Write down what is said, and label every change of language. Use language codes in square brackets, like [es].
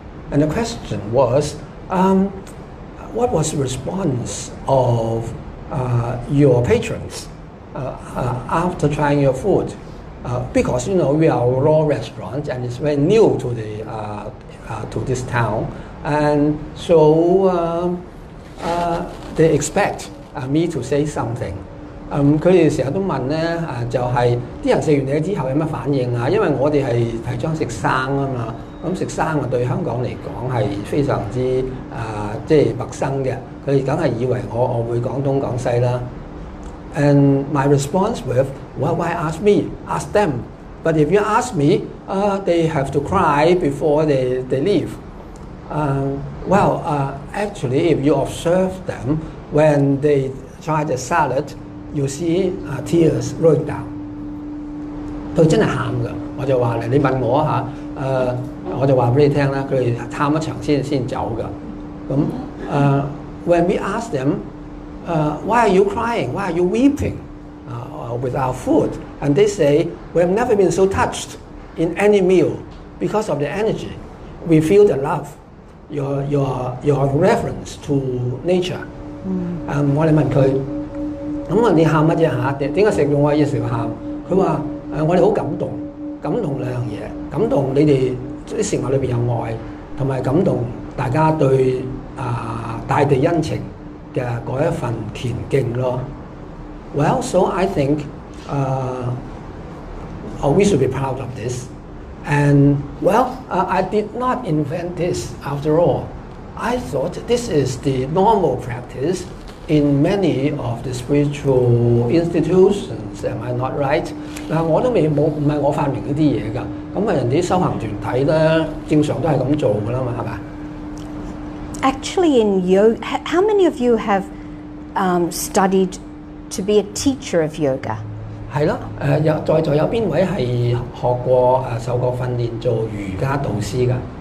[en] And the question was, what was the response of your patrons after trying your food? Because you know we are a raw restaurant and it's very new to the to this town, and so they expect me to say something. [yue] 佢哋成日都問咧，就係啲人食完嘢之後有乜反應啊？因為我哋係提倡食生啊嘛。咁食生啊，對香港嚟講係非常之即係陌生嘅。佢哋梗係以為我會講東講西啦。 [en] And my response with why ask me? Ask them. But if you ask me, they have to cry before they leave. Actually, if you observe them when they try the salad, you see tears rolling down. [yue] 佢真係喊噶，我就話你問我嚇。我就話俾你聽啦，佢哋探一場先走噶。 [en] 咁when we ask them, why are you crying? Why are you weeping? With our food? And they say, we have never been so touched in any meal because of the energy. We feel the love, your reverence to nature. [yue] 我哋問佢，咁問你喊乜啫嚇？點解食用我嘢時喊？佢話我哋好感動，感動兩樣嘢，感動你哋。啲食物裏邊有愛，同埋感動大家對大地恩情嘅嗰一份虔敬咯。 [en] Well, so I think we should be proud of this. And well, I did not invent this. After all, I thought this is the normal practice in many of the spiritual institutions. Am I not right? [yue] 我都未冇唔係我發明呢啲嘢㗎。咁人哋修行團體咧，正常都係咁做噶啦嘛，係咪 [en] ？Actually, in yoga, how many of you have studied to be a teacher of yoga？ [yue] 係咯，有在座有邊位係學過受過訓練做瑜伽導師噶